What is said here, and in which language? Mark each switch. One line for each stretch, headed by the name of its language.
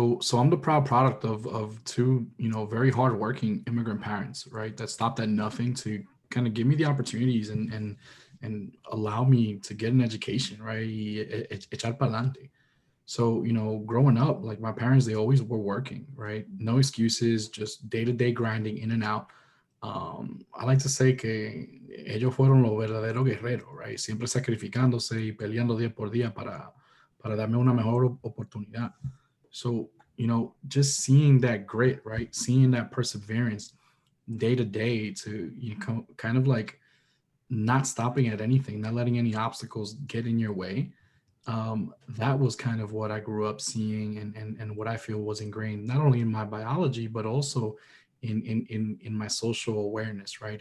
English: So I'm the proud product of two, you know, very hardworking immigrant parents, right? That stopped at nothing to kind of give me the opportunities and allow me to get an education, right?
Spanish: Echar pa'lante.
English: So, you know, growing up, like my parents, they always were working, right? No excuses, just day-to-day grinding in and out. I like to say
Spanish: que ellos fueron los verdaderos guerreros, right? Siempre sacrificándose y peleando día por día para darme una mejor oportunidad.
English: So, you know, just seeing that grit, right? Seeing that perseverance day-to-day to, you know, kind of like not stopping at anything, not letting any obstacles get in your way. That was kind of what I grew up seeing and what I feel was ingrained, not only in my biology, but also in my social awareness, right?